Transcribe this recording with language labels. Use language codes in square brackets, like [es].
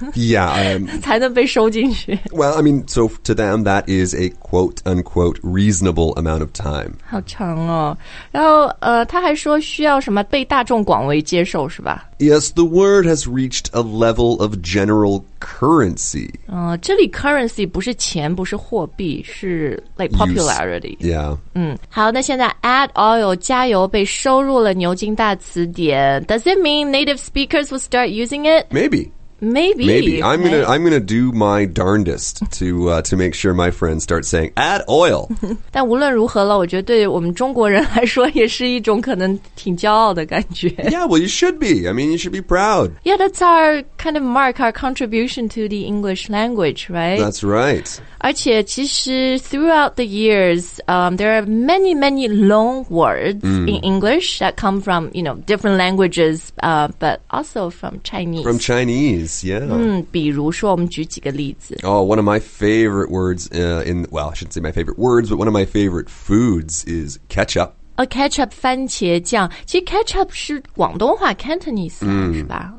[en] Yeah、 [zh] 才能被收进去 [en] Well I mean so to them that is a quote unquote reasonable amount of time [zh] 好长哦然后他还说需要什么被大众广为接受是吧 [en] Yes, the word has reached a level of general currency. [zh] 这里 currency 不是钱，不是货币，是 [en] like popularity. Use, yeah. [zh] 好，那现在 add oil 加油被收入了牛津大词典。 [en] Does it mean native speakers will start using it? Maybe. Maybe. I'm gonna do my darndest to make sure my friends start saying, add oil. [zh] 但无论如何了，我觉得对我们中国人来说也是一种可能挺骄傲的感觉。 [en] Yeah, well, you should be. I mean, you should be proud. Yeah, that's our kind of mark, our contribution to the English language, right? That's right. [zh] 而且其实 [en] throughout the years, there are many, many long words、in English that come from, you know, different languages, but also from Chinese. From Chinese. Yeah. [zh] 比如说我们举几个例子 [en] Oh, one of my favorite words in, well, I shouldn't say my favorite words, but one of my favorite foods is ketchup. [zh] A ketchup, 番茄酱其实 ketchup 是广东话 Cantonese, 是吧